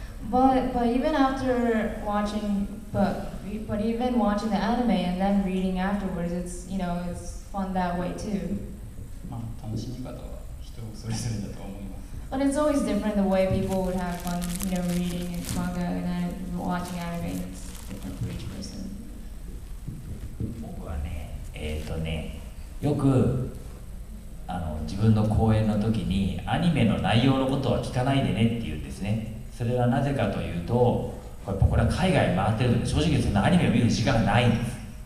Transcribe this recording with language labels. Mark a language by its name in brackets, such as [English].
[English] But even after watching, but even watching the anime and then reading afterwards, it's, you know, it's fun that way too. [Japanese] まあ楽しみ方は人それぞれだと思います。 [English] But it's always different the way people would have fun, you know, reading manga and then watching anime. It's different for each person. [Japanese] 僕はね、よく自分の講演の時にアニメの内容のことは聞かないでねって言うんですね。それはなぜかというと、これは海外回ってるので、正直そんなアニメを見る時間がないんです。